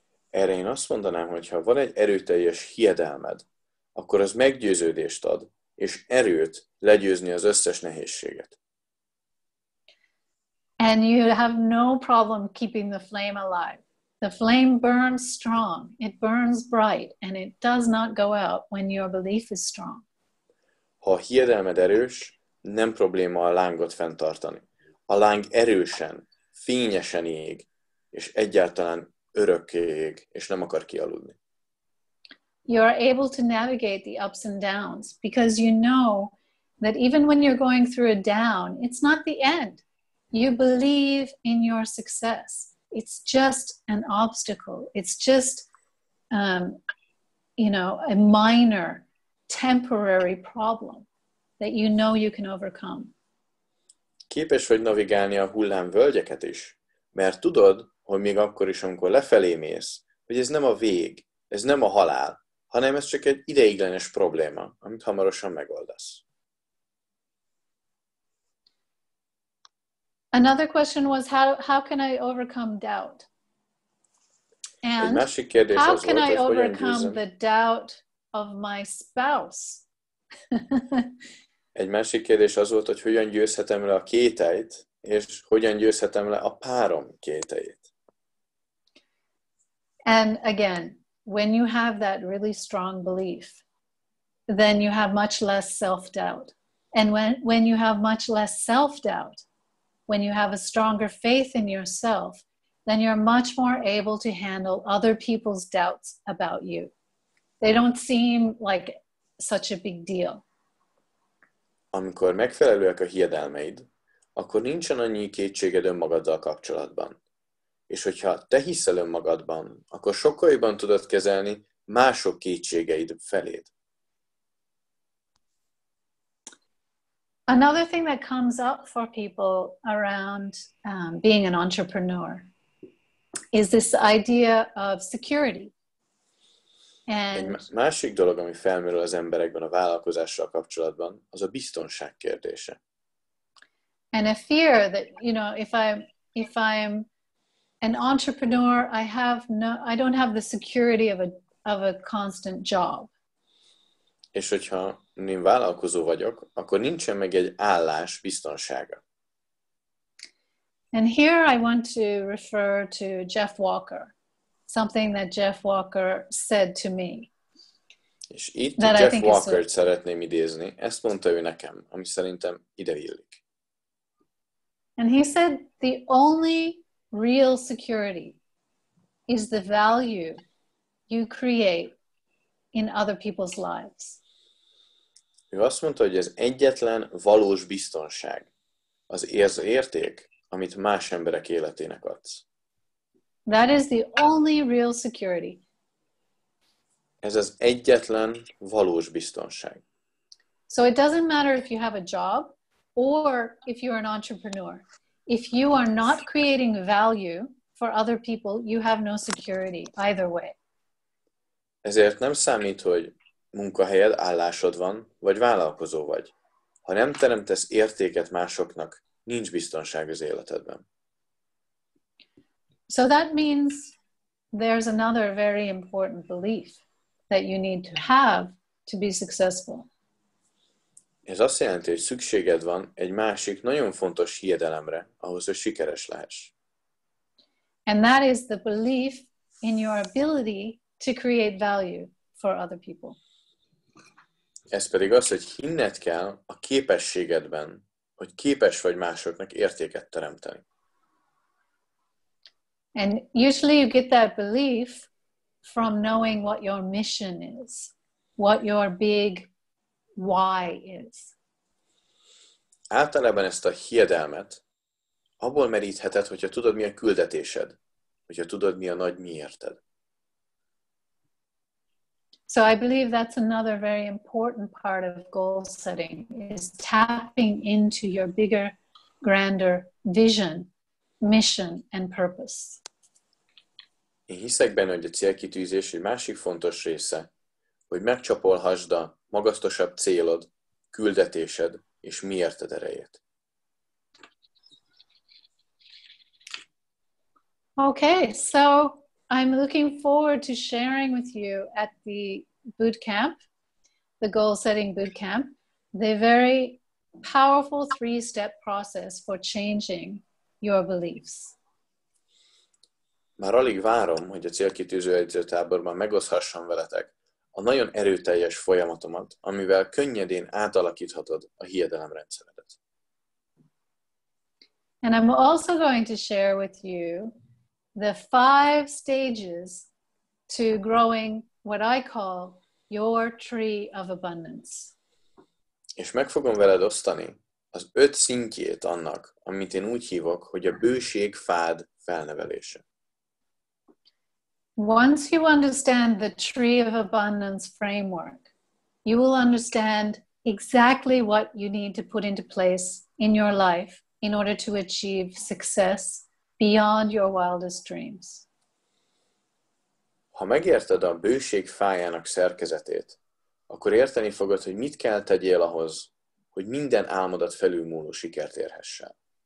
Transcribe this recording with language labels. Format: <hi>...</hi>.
<hu>Erre én azt mondanám, hogy ha van egy erőteljes hiedelmed, akkor az meggyőződést ad és erőt legyőzni az összes nehézséget.</hu> <en>And you have no problem keeping the flame alive. The flame burns strong, it burns bright, and it does not go out when your belief is strong.</en> <hu>Ha a hiedelmed erős, nem probléma a lángot fenntartani. A láng erősen, fényesen ég, és egyáltalán örökké ég, és nem akar kialudni.</hu> <en>You are able to navigate the ups and downs, because you know that even when you're going through a down, it's not the end. You believe in your success. It's just an obstacle. It's just, a minor, temporary problem that you know you can overcome.</en> <hu>Képes vagy navigálni a hullám völgyeket is, mert tudod, hogy még akkor is, amikor lefelé mész, hogy ez nem a vég, ez nem a halál, hanem ez csak egy ideiglenes probléma, amit hamarosan megoldasz.</hu> <en>Another question was, how can I overcome doubt? And how can I overcome the doubt of my spouse?</en> <hu>Egy másik kérdés az volt, hogy hogyan győzhetem le a kételyt, és hogyan győzhetem le a párom kételyét.</hu> <en>And again, when you have that really strong belief, then you have much less self-doubt. And when you have much less self-doubt, when you have a stronger faith in yourself, then you're much more able to handle other people's doubts about you. They don't seem like such a big deal.</en> <hu>Amikor megfelelőek a hiedelmeid, akkor nincsen annyi kétséged önmagaddal kapcsolatban. És hogyha te hiszel önmagadban, akkor sokkal jobban tudod kezelni mások kétségeid feléd.</hu> <en>Another thing that comes up for people around being an entrepreneur is this idea of security. And</en> <hu>másik dolog, ami felmerül az emberekben a vállalkozással kapcsolatban, az a biztonság kérdése.</hu> <en>And a fear that, you know, if I'm an entrepreneur, I don't have the security of a constant job.</en> <hu>És hogyha én vállalkozó vagyok, akkor nincsen meg egy állás biztonsága.</hu> <en>And here I want to refer to Jeff Walker, something that Jeff Walker said to me.</en> <hu>És itt Jeff Walkert szeretném idézni. Ezt mondta ő nekem, ami szerintem ide illik.</hu> <en>And he said, the only real security is the value you create in other people's lives.</en> <hu>Ő azt mondta, hogy az egyetlen valós biztonság, az érték, amit más emberek életének adsz.</hu> <en>That is the only real security.</en> <hu>Ez az egyetlen valós biztonság.</hu> <en>So it doesn't matter if you have a job or if you're an entrepreneur. If you are not creating value for other people, you have no security either way.</en> <hu>Ezért nem számít, hogy munkahelyed, állásod van, vagy vállalkozó vagy. Ha nem teremtesz értéket másoknak, nincs biztonság az életedben.</hu> <en>So that means there's another very important belief that you need to have to be successful.</en> <hu>Ez azt jelenti, hogy szükséged van egy másik nagyon fontos hiedelemre, ahhoz, hogy sikeres lehess.</hu> <en>And that is the belief in your ability to create value for other people.</en> <hu>Ez pedig az, hogy hinned kell a képességedben, hogy képes vagy másoknak értéket teremteni.</hu> <en>And usually you get that belief from knowing what your mission is, what your big why is.</en> <hu>Általában ezt a hiedelmet abból merítheted, hogyha tudod, mi a küldetésed, hogyha tudod, mi a nagy miérted.</hu> <en>So I believe that's another very important part of goal setting, is tapping into your bigger, grander vision, mission and purpose.</en> <hu>Én hiszek benne, hogy a célkitűzés egy másik fontos része, hogy megcsapolhassd a magasztosabb célod, küldetésed és miérted erejét.</hu> <en>Okay, so I'm looking forward to sharing with you at the bootcamp, the goal setting bootcamp, the very powerful three-step process for changing your beliefs.</en> <hu>Már alig várom, hogy a célkitűző edzőtáborban megoszhassam veletek a nagyon erőteljes folyamatomat, amivel könnyedén átalakíthatod a hiedelemrendszeredet.</hu> <en>And I'm also going to share with you the five stages to growing what I call your tree of abundance.</en> <hu>És meg fogom veled osztani az öt szintjét annak, amit én úgy hívok, hogy a bőség fád felnevelése.</hu> <en>Once you understand the tree of abundance framework, you will understand exactly what you need to put into place in your life in order to achieve success beyond your wildest dreams.</en> <hu>Ha megérted a bőség fájának szerkezetét, akkor érteni fogod, hogy mit kell tegyél ahhoz, hogy minden álmodat felülmúló sikert érhessel.</hu>